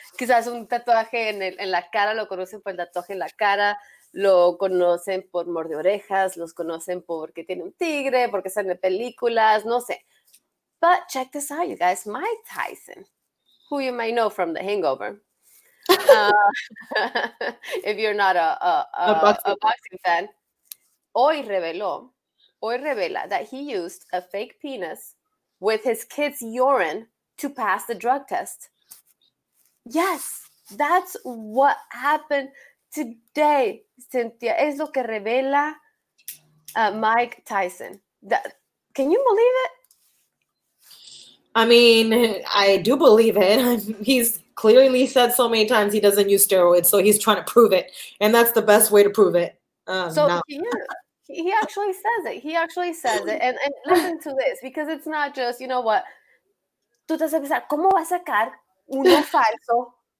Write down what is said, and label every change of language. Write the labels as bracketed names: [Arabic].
[Spanish] Quizás un tatuaje en la cara, lo conocen por el tatuaje en la cara, lo conocen por morde orejas, los conocen porque tiene un tigre, porque sale en películas, no sé. [English] But check this out, you guys. Mike Tyson, who you might know from The Hangover. if you're not a Boxing. boxing fan, [Spanish] hoy reveló. Hoy revela [English] that he used a fake penis with his kid's urine to pass the drug test. Yes, that's what happened today, Cynthia. [Spanish] Es lo que revela Mike Tyson. [English] Can you believe it? I mean, I do believe it. He's clearly said so many times he doesn't use steroids, so he's trying to prove it. And that's the best way to prove it. So No. he actually says it. He actually says it. And listen to this, because it's not just, you know what? [Spanish] Tú te vas a pensar, ¿cómo va a sacar uno falso?